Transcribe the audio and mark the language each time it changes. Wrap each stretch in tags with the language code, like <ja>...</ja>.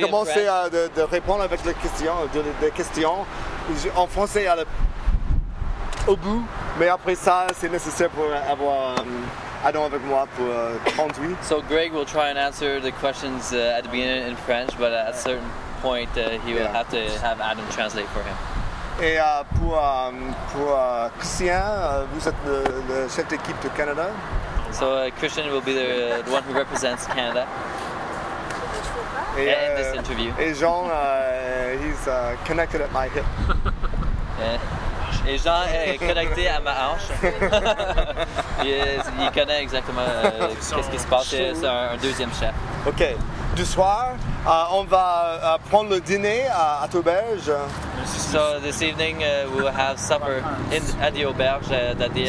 <fr>commencer à de répondre avec les questions, des questions en français au bout, mais après ça, c'est nécessaire pour avoir Adam avec moi pour 30 minutes.</fr> <en>So Greg will try and answer the questions at the beginning in French, but at a certain point he will have to have Adam translate for him.</en> <fr>Et pour Christian, vous êtes le chef d'équipe de Canada.</fr> <en>So Christian will be the one who represents Canada.</en> <fr>Et,</fr> <en>in this interview. Et Jean, he's connected at my hip.</en> <fr>Et Jean est connecté à ma hanche. Il connaît exactement qu'est-ce qui se passe. C'est un deuxième chef. Ok. Du soir, on va prendre le dîner à l'auberge.</fr> <en>So this evening we will have supper at the auberge that the</en>